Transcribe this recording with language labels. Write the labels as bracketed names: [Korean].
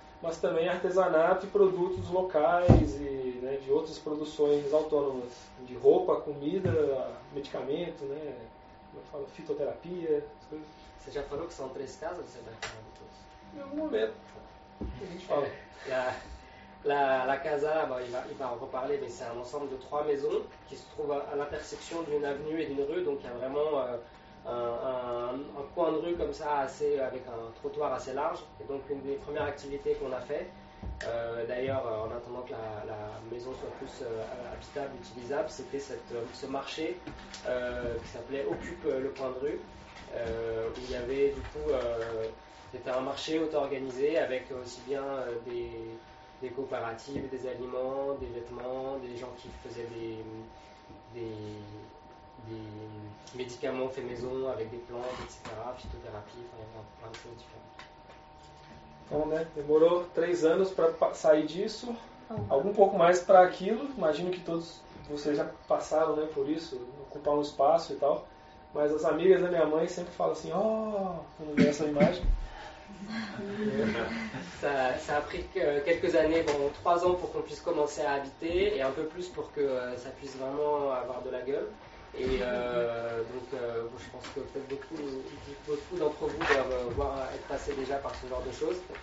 [Portuguese] mas também artesanato e produtos locais e, né, de outras produções autônomas, de roupa, comida, medicamento, né, como eu falo, fitoterapia. Você já falou que são três casas ou você vai falar de todos? Em algum momento. [French] La casa, on va parler, mais c'est un ensemble de trois maisons qui se trouvent à l'intersection d'une avenue et d'une rue. Donc il y a vraiment un coin de rue comme ça, assez, avec un trottoir assez large. Et donc une des premières activités qu'on a fait, d'ailleurs en attendant que la maison soit plus habitable, utilisable, c'était ce marché qui s'appelait Occupe le coin de rue, où il y avait du coup, c'était un marché auto-organisé avec aussi bien des coopératives, des aliments, des vêtements, des gens qui faisaient des médicaments faits maison avec des plantes, etc., phytothérapie, enfin, plein de choses différentes. [Portuguese] Então, né, demorou 3 anos para sair disso, algum pouco mais para aquilo, imagino que todos vocês já passaram, né, por isso, ocupar um espaço e tal, mas as amigas da minha mãe sempre falam assim, quando vê essa imagem. [French] Ça a pris quelques années, bon, 3 ans pour qu'on puisse commencer à habiter et un peu plus pour que ça puisse vraiment avoir de la gueule. Et donc je pense que peut-être beaucoup d'entre vous doivent être passés déjà par ce genre de choses.